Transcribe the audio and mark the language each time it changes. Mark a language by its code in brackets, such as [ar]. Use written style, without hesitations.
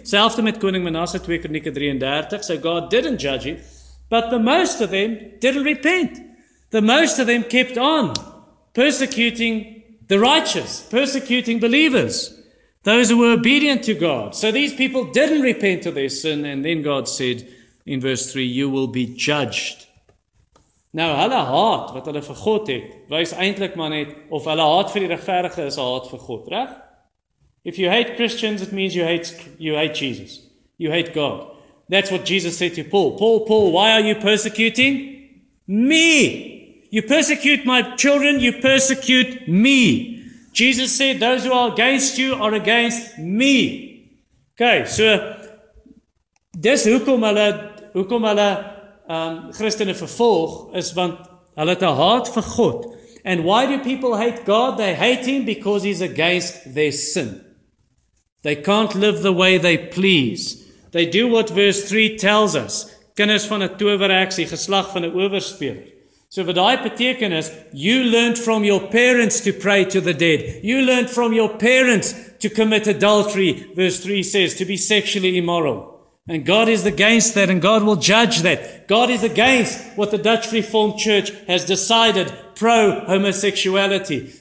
[af] Selfde met koning Manasse, 2 Kronieke 33, [en] so God didn't judge him, but the most of them didn't repent. The most of them kept on persecuting the righteous, persecuting believers. Those who were obedient to God. So these people didn't repent of their sin. And then God said in verse 3, you will be judged. [af] Nou, hulle haat wat hulle vir God het, wys eintlik maar net of hulle haat vir die regverdige is haat vir God, reg? [en] If you hate Christians, it means you hate Jesus. You hate God. That's what Jesus said to Paul. Paul, Paul, why are you persecuting me? You persecute my children, you persecute me. Jesus said, those who are against you are against me. [af] Okay, so, dis hoekom hulle Christene vervolg, is want hulle het 'n haat vir God. [en] And why do people hate God? They hate him because he's against their sin. They can't live the way they please. They do what verse 3 tells us. [af] Kinders van 'n towerheks, die geslag van 'n owerspeler. So wat daai beteken is, [en] you learned from your parents to pray to the dead. You learned from your parents to commit adultery, verse 3 says, to be sexually immoral. And God is against that and God will judge that. God is against what the Dutch Reformed Church has decided, pro-homosexuality.